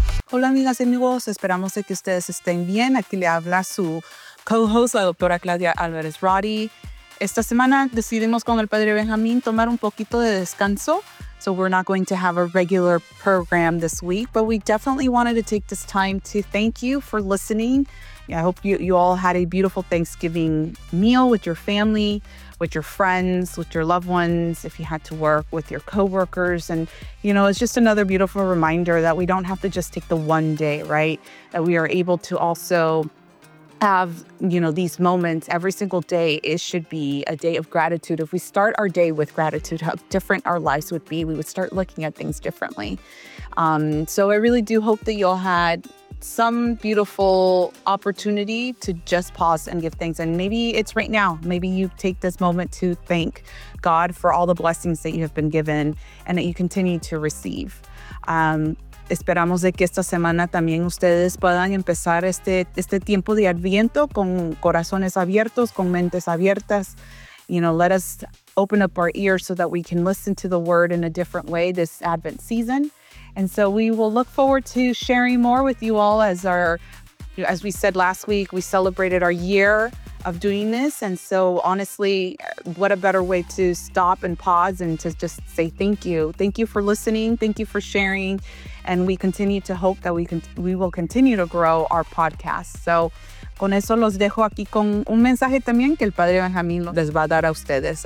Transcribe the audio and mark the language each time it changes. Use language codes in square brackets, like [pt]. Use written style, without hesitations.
[es] Hola amigas y amigos, esperamos de que ustedes estén bien. Aquí le habla su co-host, la doctora Claudia Álvarez Roddy. Esta semana decidimos con el padre Benjamín tomar un poquito de descanso. [en] So we're not going to have a regular program this week, but we definitely wanted to take this time to thank you for listening. Yeah, I hope you all had a beautiful Thanksgiving meal with your family, with your friends, with your loved ones, if you had to work with your coworkers. And, you know, it's just another beautiful reminder that we don't have to just take the one day, right? That we are able to also have, you know, these moments every single day. It should be a day of gratitude. If we start our day with gratitude, how different our lives would be. We would start looking at things differently. So I really do hope that you all had some beautiful opportunity to just pause and give thanks. And maybe it's right now. Maybe you take this moment to thank God for all the blessings that you have been given and that you continue to receive. [es] Esperamos de que esta semana también ustedes puedan empezar este tiempo de Adviento con corazones abiertos, con mentes abiertas. [en] You know, let us open up our ears so that we can listen to the word in a different way this Advent season. And so we will look forward to sharing more with you all as we said last week, we celebrated our year of doing this. And so honestly, what a better way to stop and pause and to just say thank you. Thank you for listening. Thank you for sharing. And we continue to hope that we will continue to grow our podcast. [es] So con eso los dejo aquí con un mensaje también que el Padre Benjamín les va a dar a ustedes.